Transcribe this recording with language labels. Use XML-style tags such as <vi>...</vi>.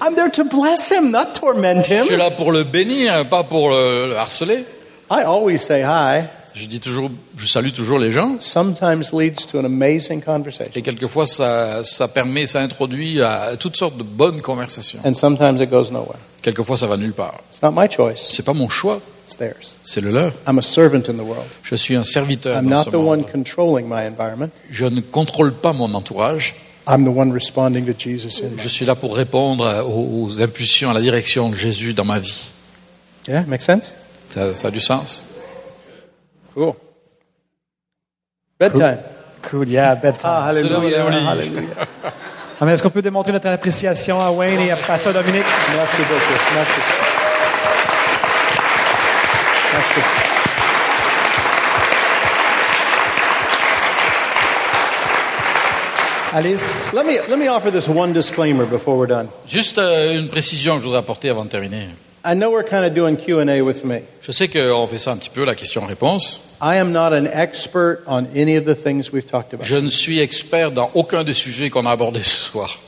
<en>I'm there to bless him, not torment him.</en> <fr>Je suis là pour le bénir, pas pour le harceler.</fr> <en>I always say hi.</en> <fr>Je dis toujours, je salue toujours les gens.</fr> <en>Sometimes leads to an amazing conversation.</en> <fr>Et quelquefois, ça introduit à toutes sortes de bonnes conversations.</fr> <en>And sometimes it goes nowhere.</en> <fr>Quelquefois, ça va nulle part.</fr> <en>It's not my choice.</en> <fr>C'est pas mon choix.</fr> <en>It's theirs.</en> <fr>C'est le leur.</fr> <en>I'm a servant in the world.</en> <fr>Je suis un serviteur dans ce monde.</fr> <en>I'm not the one controlling my environment.</en> <fr>Je ne contrôle pas mon entourage.</fr> <en>I'm the one responding to Jesus in my life.</en> <fr>Je suis là pour répondre aux impulsions, à la direction de Jésus dans ma vie.</fr> <en>Yeah, makes sense?</en> <fr>Ça a du sens.</fr> <en>Cool. Bedtime. Cool, yeah, bedtime. Ah, hallelujah. Hallelujah.</en> <fr>Mais est-ce qu'on peut démontrer notre appréciation à Wayne et à Pasteur Dominique? Merci beaucoup. Merci. Merci. Alice,</fr> <en>let me offer this one disclaimer before we're done.</en> <fr>Juste une précision que je voudrais apporter avant de terminer.</fr> <en>I know we're kind of doing Q&A with me.</en> <fr>Je sais qu'on fait ça un petit peu, la question-réponse.</fr> <en>I am not an expert on any of the things we've talked about.</en> <fr>Je ne suis expert dans aucun des sujets qu'on a abordés ce soir.</fr>